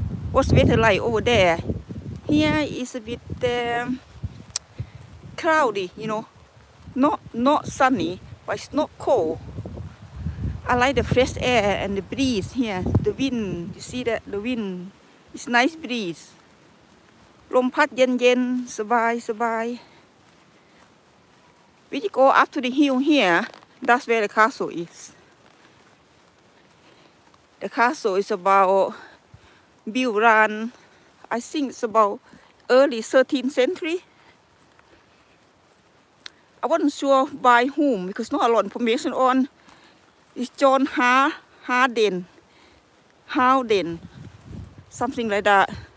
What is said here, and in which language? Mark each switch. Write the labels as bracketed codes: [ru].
[en] What's the weather like over there? Here is a bit. Cloudy, you know, not sunny, but it's not cold. I like the fresh air and the breeze here. The wind, you see that the wind, it's nice breeze. [th] ลมพัดเย็นเย็นสบายสบาย [en] We go up to the hill here. That's where the castle is. The castle is about built around, I think it's about. Early 13th century. I wasn't sure by whom because not a lot of information on. It's John Harden. Harden. Something like that.